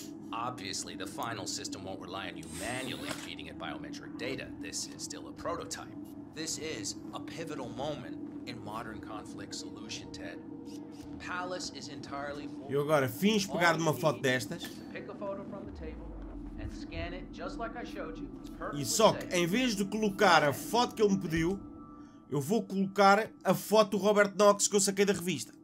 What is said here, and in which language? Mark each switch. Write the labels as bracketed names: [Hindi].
[English] Obviously, the final system won't rely on you manually feeding it biometric data. This is still a prototype. This is a pivotal moment in modern conflict solution, Ted. Pallas is entirely full. [Portuguese] Eu agora finge pegar numa foto destas. [English] Pick a photo from the table and scan it just like I showed you. [Portuguese] E só que em vez de colocar a foto que ele me pediu, eu vou colocar a foto do Robert Knox que eu saquei da revista.